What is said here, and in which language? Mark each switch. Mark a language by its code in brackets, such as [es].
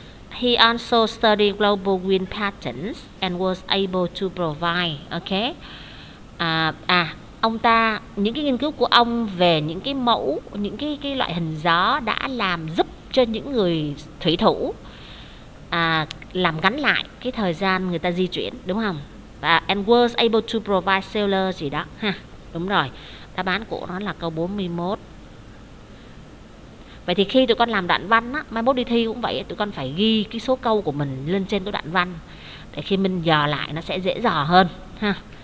[en] He also studied global wind patterns and was able to provide, okay? [vi] Ông ta, những cái nghiên cứu của ông về những cái mẫu, những cái loại hình gió đã làm giúp cho những người thủy thủ làm gắn lại cái thời gian người ta di chuyển, đúng không? [en] Và and was able to provide sailors [vi] gì đó ha. Đúng rồi. Đáp án của nó là câu 41. Vậy thì khi tụi con làm đoạn văn á, mai mốt đi thi cũng vậy, tụi con phải ghi cái số câu của mình lên trên cái đoạn văn để khi mình dò lại nó sẽ dễ dò hơn ha.